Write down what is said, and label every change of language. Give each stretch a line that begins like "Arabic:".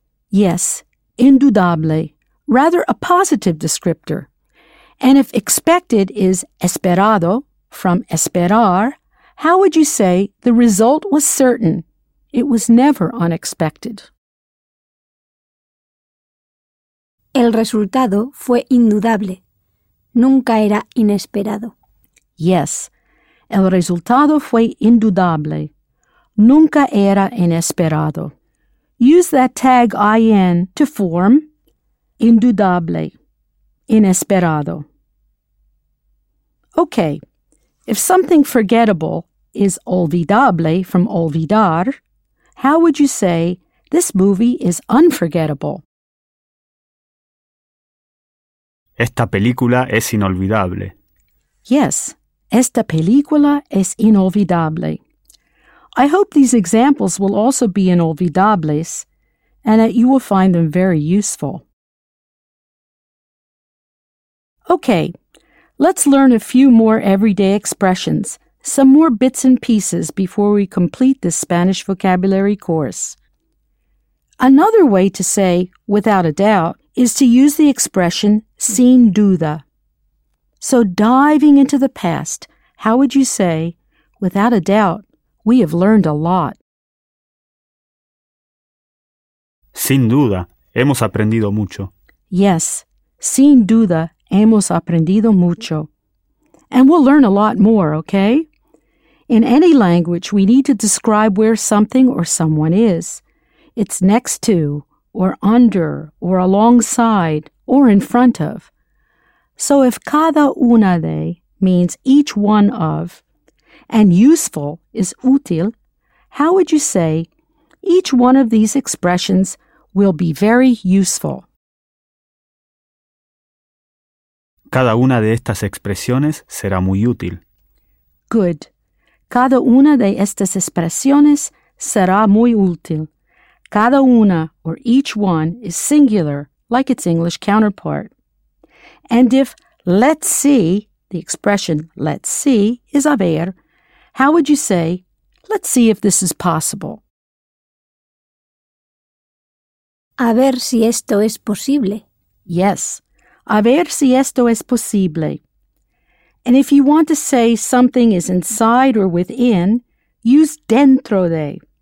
English: Yes, indudable. Rather a positive descriptor. And if expected is esperado, from esperar, how would you say the result was certain? It was never unexpected.
Spanish: El resultado fue indudable. Nunca era inesperado. Yes, el resultado fue indudable. Nunca era inesperado.
English: Use that tag IN to form indudable, inesperado. Okay, if something forgettable is olvidable from olvidar, how would you say this movie is unforgettable?
Spanish: Esta película es inolvidable. Yes, esta película es inolvidable.
English: I hope these examples will also be inolvidables and that you will find them very useful. Okay, let's learn a few more everyday expressions, some more bits and pieces before we complete this Spanish vocabulary course. Another way to say, without a doubt, is to use the expression sin duda. So diving into the past, how would you say, without a doubt, we have learned a lot?
Spanish: Sin duda, hemos aprendido mucho. Yes, sin duda, hemos aprendido mucho.
English: And we'll learn a lot more, okay? In any language, we need to describe where something or someone is. It's next to, or under, or alongside, or in front of. So if cada una de means each one of, and useful is útil, how would you say each one of these expressions will be very useful?
Spanish: Cada una de estas expresiones será muy útil.
English: Good.
Spanish: Cada una de estas expresiones será muy útil.
English: Cada una, or each one, is singular, like its English counterpart. And if let's see, the expression let's see, is a ver, how would you say, let's see if this is possible?
Spanish: A ver si esto es posible. Yes, a ver si esto es posible.
English: And if you want to say something is inside or within, use dentro de.